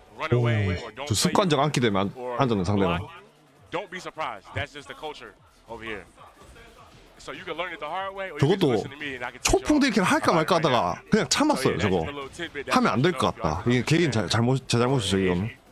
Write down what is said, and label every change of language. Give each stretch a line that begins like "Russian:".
Korean: 오, 습관적 안 기대면 안 잡는 상대가.
English: Don't be surprised. That's just the culture over here. So you can learn it the hard way.
Korean: 저것도 초풍대 이렇게 할까 말까 하다가 그냥 참았어요. 저거 하면 안 될 것 같다. 이게 개인 잘못 제 잘못이죠 이건.